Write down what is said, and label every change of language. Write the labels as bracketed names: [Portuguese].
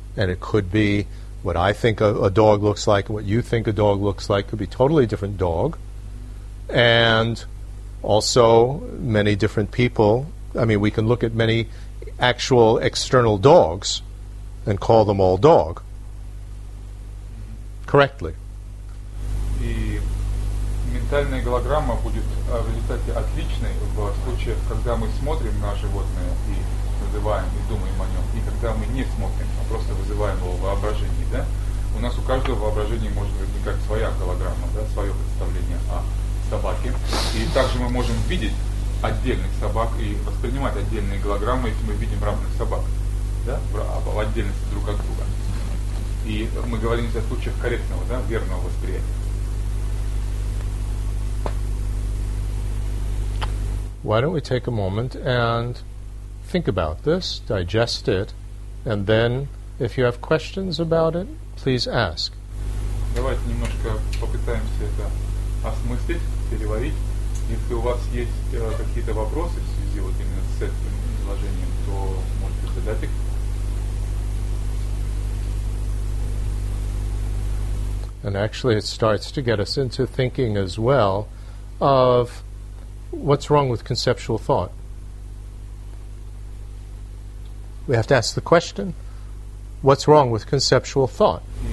[English] And it could be what I think a dog looks like, what you think a dog looks like, could be a totally different dog. And also many different people, I mean, we can look at many actual external dogs and call them all dog correctly. [Russian] Ментальная голограмма будет в результате отличной в случаях, когда мы смотрим на животное и называем, и думаем о нем, и когда мы не смотрим, а просто вызываем его в воображении, да? У нас у каждого воображения может возникать своя голограмма, да, свое представление о собаке. И также мы можем видеть отдельных собак и воспринимать отдельные голограммы, если мы видим разных собак, да, в отдельности друг от друга. И мы говорим здесь о случаях корректного, да, верного восприятия. [English] Why don't we take a moment and think about this, digest it, and then if you have questions about it, please ask. [Russian] Давайте немножко попытаемся это осмыслить, переварить. Если у вас есть какие-то вопросы в связи вот именно с этим изложением, то можете задать их. [English] And actually it starts to get us into thinking as well of what's wrong with conceptual thought? We have to ask the question, what's wrong with conceptual thought?